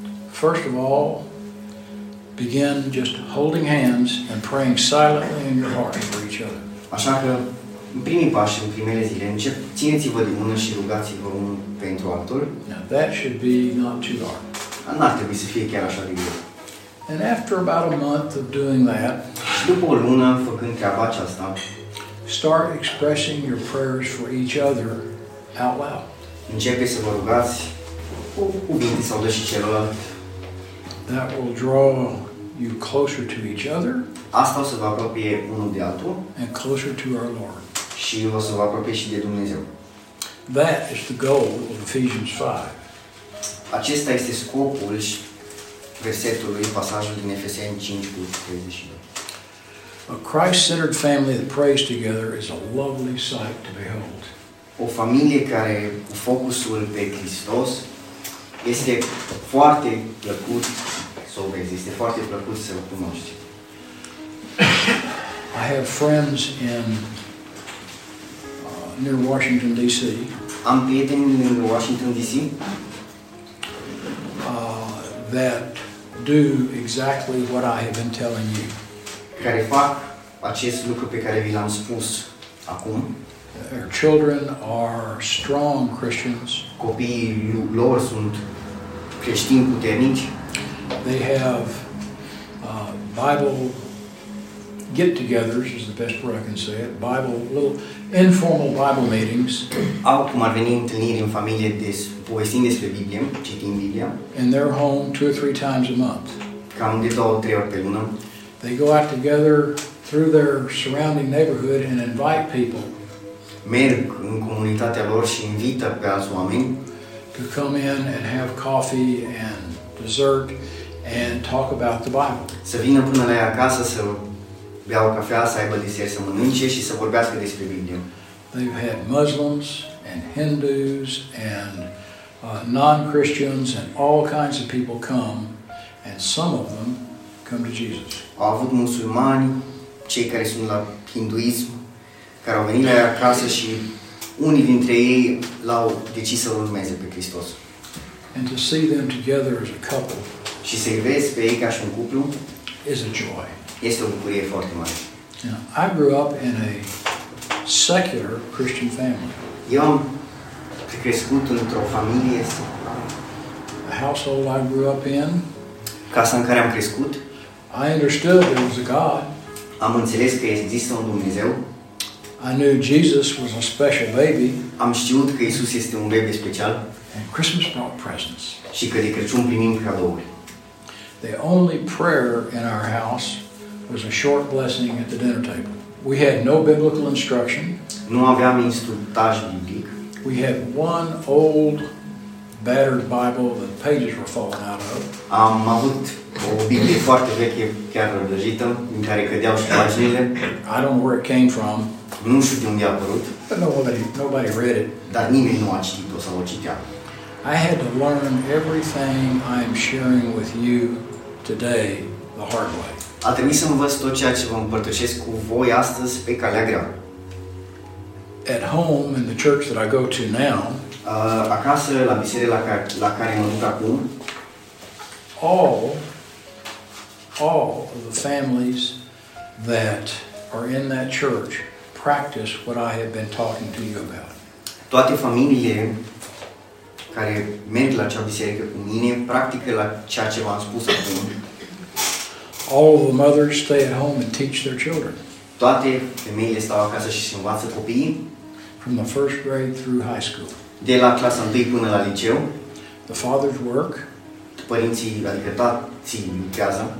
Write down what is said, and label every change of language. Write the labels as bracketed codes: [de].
[en] First of all, begin just holding hands and praying silently in your heart for each other. [ro] Așa că în primii pași, în primele zile, încep, țineți-vă de mână și rugați-vă unul pentru altul. [en] Now that should be not too hard. [ro] N-ar trebui să fie chiar așa de greu. [en] And after about a month of doing that, [ro] după o lună făcând treaba aceasta, [en] start expressing your prayers for each other out loud. [ro] începeți să vă rugați cu cuvinte sau de și celălalt. [en] That will draw you closer to each other. [ro] Asta o să vă apropie unul de altul. [en] And closer to our Lord. [ro] Și o să vă apropie și de Dumnezeu. [en] That is the goal of Ephesians 5. [ro] Acesta este scopul și versetului, pasajul din Efeseni 5 cu 32. [en] A Christ-centered family that prays together is a lovely sight to behold. [ro] O familie care cu focusul pe Hristos este foarte plăcut să o vezi, este foarte plăcut să o cunoști. [en] I have friends in near Washington D.C. [ro] Am prieteni în Washington D.C. [en] That do exactly what I have been telling you. [ro] Care fac acest lucru pe care vi l-am spus acum. [en] Their children are strong Christians. [ro] Copiii lor sunt creștini puternici. [en] They have Bible get-togethers, is the best word I can say it. Bible, little informal Bible meetings. [ro] Au cum ar veni întâlniri în familie des, povestind despre Biblie, citind Biblia. [en] In their home, two or three times a month. [ro] Cam de două, trei ori pe lună. [en] They go out together through their surrounding neighborhood and invite people. [ro] Merg în comunitatea lor și invită pe alți oameni. [en] To come in and have coffee and dessert and talk about the Bible. [ro] Să vină până la ei acasă să bea o cafea, să aibă desert, să mănânce și să vorbească despre Biblie. [en] They've had Muslims and Hindus and non-Christians and all kinds of people come, and some of them come to Jesus. [ro] Au avut musulmani, cei care sunt la hinduism, care au venit la ei acasă și unii dintre ei l-au decis să urmeze pe Hristos. [en] And to see them together as a couple, [ro] și să-i vezi pe ei ca și un cuplu, [en] is a joy. [ro] Este o bucurie foarte mare. [en] Now, I grew up in a secular Christian family. [ro] Eu am crescut într-o familie seculară. [en] The household I grew up in. [ro] Casa în care am crescut. [en] I understood there was a God. [ro] Am înțeles că există un Dumnezeu. [en] I knew Jesus was a special baby. [ro] Am știut că Iisus este un bebe special. [en] And Christmas brought presents. [ro] Și că de Crăciun primim cadouri. [en] The only prayer in our house was a short blessing at the dinner table. We had no biblical instruction. [ro] Nu aveam instructaj biblic. [en] We had one old battered Bible that the pages were falling out of. [ro] Am avut o Biblie foarte veche, chiar răgită, în care cădeau și paginile. [en] I don't know where it came from. [ro] Nu știu de unde a apărut. [en] But nobody read it. [ro] Dar nimeni nu a citit-o sau o citea. [en] I had to learn everything I am sharing with you today the hard way. [ro] A trebuit să învăț tot ceea ce vă împărtășesc cu voi astăzi pe calea grea. [en] At home in the church that I go to now, [ro] acasă la biserica la care mă duc acum, [en] all of the families that are in that church practice what I have been talking to you about. [ro] Toate familiile care merg la acea biserică cu mine practică la ceea ce v-am spus acum. [en] All the mothers stay at home and teach their children. [ro] Toate femeile stau acasă și se învață copiii. [en] From the first grade through high school. [ro] De la clasa 1 până la liceu. [en] The fathers work. [ro] Părinții, adică tații, lucrează.